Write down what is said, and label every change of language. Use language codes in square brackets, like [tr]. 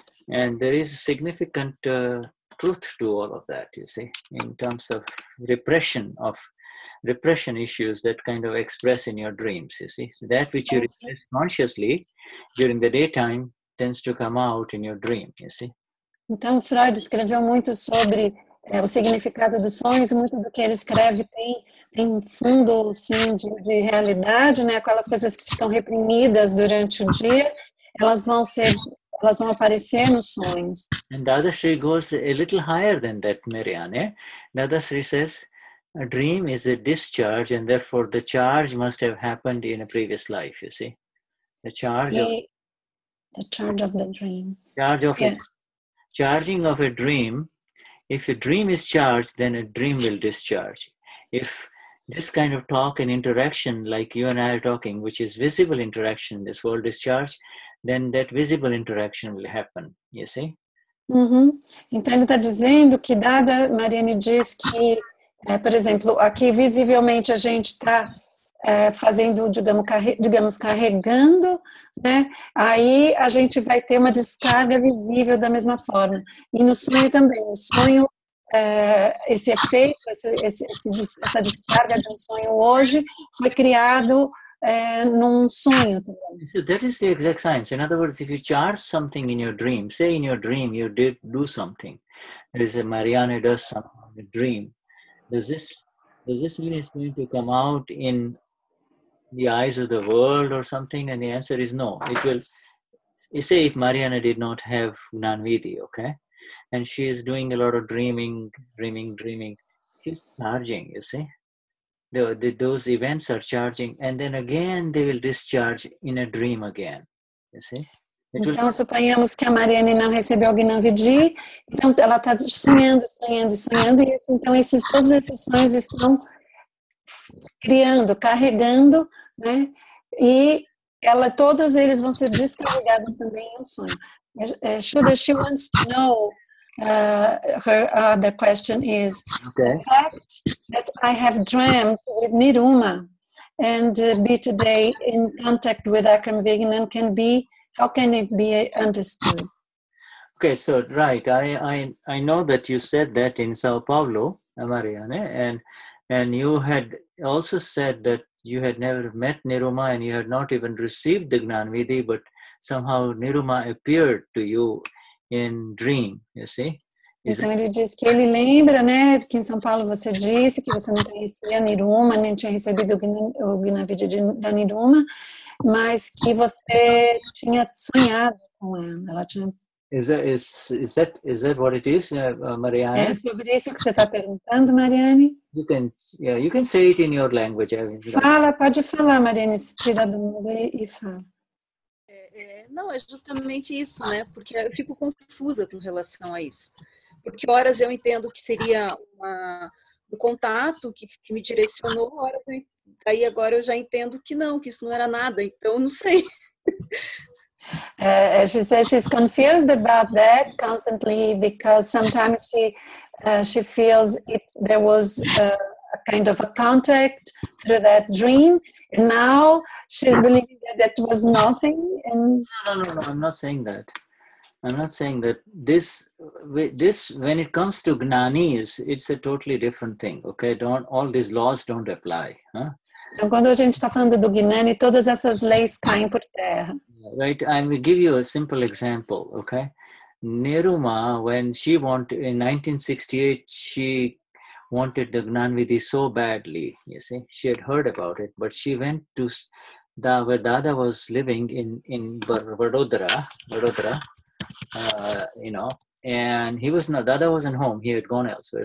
[en] And there is significant truth to all of that, you see, in terms of repression issues that kind of express in your dreams, you see. So that which you repress consciously during the daytime tends to come out in your dream, you see. [pt] Então, Freud escreveu muito sobre o significado dos sonhos, muito do que ele escreve tem fundo, sim, de realidade, né? Aquelas coisas que ficam reprimidas durante o dia, elas vão ser... Elas vão aparecer nos sonhos. [en] And Dadashri goes a little higher than that, Marianne. Dadashri says, a dream is a discharge and therefore the charge must have happened in a previous life, you see. The charge The charge of the dream. Charging of a dream. If a dream is charged, then a dream will discharge. If this kind of talk and interaction, like you and I are talking, which is visible interaction, this world discharge, then that visible interaction will happen, you see? Uhum. [pt] Então ele está dizendo que dada, Mariane diz que, por exemplo, aqui visivelmente a gente está fazendo, digamos, carregando, né? Aí a gente vai ter uma descarga visível da mesma forma. E no sonho também, o sonho, esse efeito, essa descarga de um sonho hoje foi criado... num sonho. [en] So that is the exact science. In other words, if you charge something in your dream, say in your dream you did do something, there is a Marianne does something in a dream, does this mean it's going to come out in the eyes of the world or something? And the answer is no. It will, you say if Marianne did not have Gnan Vidhi, okay, and she is doing a lot of dreaming, she's charging, you see. those events are charging, and then again they will discharge in a dream again. You see? [pt] Então, suponhamos que a Mariane não recebeu o Gnan Vidhi, então ela está sonhando, sonhando, sonhando, e então esses, todos esses sonhos estão criando, carregando, né? E ela, todos eles vão ser descarregados também em um sonho. [en] Shuda, she wants to know, her other question is, okay. The fact that I have dreamt with Niruma and be today in contact with Akram Vignan can be, how can it be understood? Okay, so right, I know that you said that in Sao Paulo, Mariane, and you had also said that you had never met Niruma and you had not even received the Gnan Vidhi, but somehow Niruma appeared to you in dream, you see? [pt] Então ele diz que ele lembra, né, que em São Paulo você disse que você não conhecia Niruma, nem tinha recebido o Gnan Vidhi da Niruma, mas que você tinha sonhado com ela. Ela tinha... [en] Is that what it is, Mariane? [pt] É sobre isso que você está perguntando, Mariane? [en] You can say it in your language. I mean, [pt] fala, pode falar, Mariane, se tira do mundo e fala. Não, é justamente isso, né? Porque eu fico confusa com relação a isso. Porque horas eu entendo que seria um contato que me direcionou, horas aí agora eu já entendo que isso não era nada, então eu não sei. [en] She says she's confused about that constantly because sometimes she feels there was a kind of a contact through that dream. And now she's believing that that was nothing. And No, I'm not saying that. I'm not saying that. This when it comes to gnanis, it's a totally different thing. Okay, all these laws don't apply. Huh? [pt] Então, quando a gente está falando do gnani, todas essas leis caem por terra. [en] Right, I will give you a simple example. Okay, Niruma, when she wanted in 1968, she wanted the Gnan Vidhi so badly, you see. She had heard about it, but she went to where Dada was living in Vadodara, you know, and Dada wasn't home, he had gone elsewhere.